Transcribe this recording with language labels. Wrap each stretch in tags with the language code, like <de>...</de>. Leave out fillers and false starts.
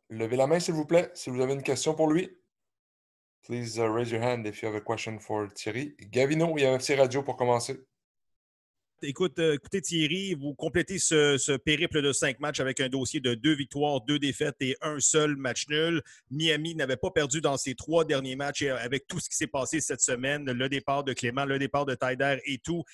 <fr>Levez la main, s'il vous plaît, si vous avez une question pour lui.</fr> <en>Please raise your hand if you have a question for Thierry.</en> <fr>Gavino, il y a un petit radio pour commencer. Écoutez Thierry, vous complétez ce périple de 5 matchs avec un dossier de 2 victoires, 2 défaites et un seul match nul. Miami n'avait pas perdu dans ses 3 derniers matchs et avec tout ce qui s'est passé cette semaine, le départ de Clément, le départ de Tyder et tout.</fr>